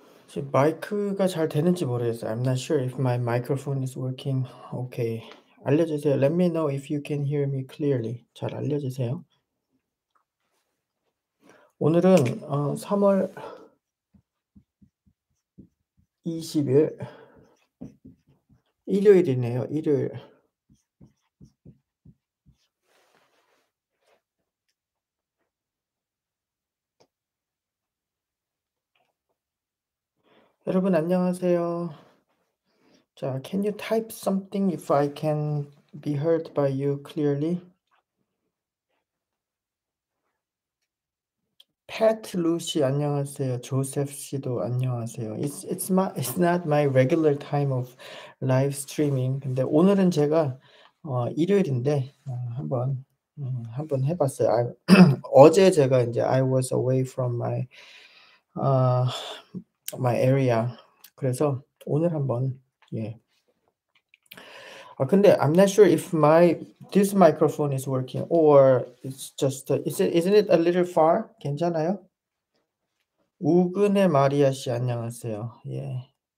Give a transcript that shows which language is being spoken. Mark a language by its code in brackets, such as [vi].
[ko] 지금 마이크가 잘 되는지 모르겠어요. [en] I'm not sure if my microphone is working okay. [ko] 알려주세요. [en] Let me know if you can hear me clearly. [ko] 잘 알려주세요. 오늘은 3월 20일 일요일이네요. 일요일. 여러분 안녕하세요. [en] 자, can you type something if I can be heard by you clearly? [ko] Pat Lucy 안녕하세요. Joseph 씨도 안녕하세요. [en] It's not my regular time of live streaming. [ko] 근데 오늘은 제가 일요일인데 한번 해봤어요. 어제 제가 이제 [en] I was away from my area. [ko] 그래서 오늘 한번 예. [en] 근데 I'm not sure if this microphone is working or it's just isn't it a little far? [ko] 괜찮아요? 우근의 마리아 씨 안녕하세요. 예.